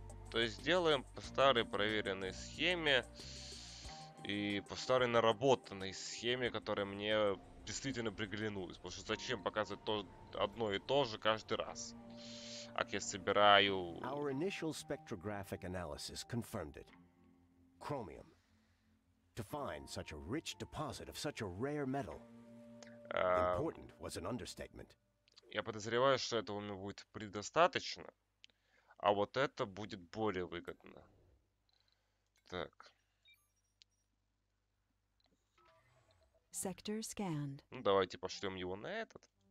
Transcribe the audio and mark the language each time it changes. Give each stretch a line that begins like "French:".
Russian: То есть сделаем по старой проверенной схеме и по старой наработанной схеме, которая мне действительно приглянулась. Потому что зачем показывать то, одно и то же каждый раз, как я собираю...
English: Our initial spectrographic analysis confirmed it. Chromium. To find such a rich deposit of such a rare metal. Important was an understatement.
Russian: Я подозреваю, что этого мне будет предостаточно. А вот это будет более выгодно. Так.
English: Sector scanned.
Russian: Ну, давайте пошлем его на этот.